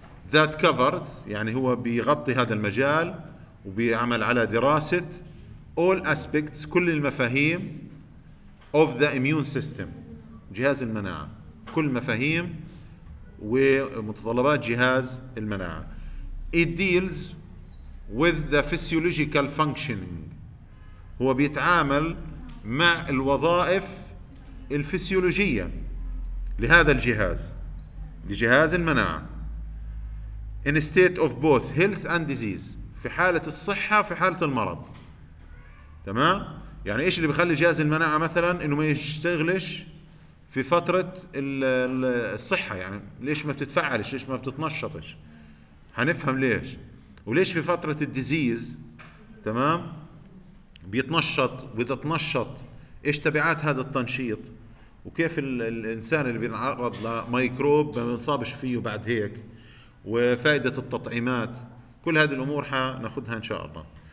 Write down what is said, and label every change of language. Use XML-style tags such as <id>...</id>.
<ar>ذات كفرز يعني هو بيغطي هذا المجال وبيعمل على دراسة</ar> <en>all aspects</en> <ar>كل المفاهيم</ar> <en>of the immune system</en> <ar>جهاز المناعة، كل مفاهيم ومتطلبات جهاز المناعة.</ar> <en>It deals with the physiological functioning،</en> <ar>هو بيتعامل مع الوظائف الفسيولوجية لهذا الجهاز، لجهاز المناعة.</ar> <en>In a state of both health and disease،</en> <ar>في حالة الصحة في حالة المرض تمام. يعني ايش اللي بيخلي جهاز المناعة مثلا انه ما يشتغلش في فترة الصحة؟ يعني ليش ما بتتفعلش، ليش ما بتتنشطش، هنفهم ليش. وليش في فترة الديزيز تمام بيتنشط، وإذا تنشط إيش تبعات هذا التنشيط، وكيف الإنسان اللي بينعرض لميكروب ما بنصابش فيه بعد هيك، وفائدة التطعيمات، كل هذه الأمور هناخدها إن شاء الله.</ar>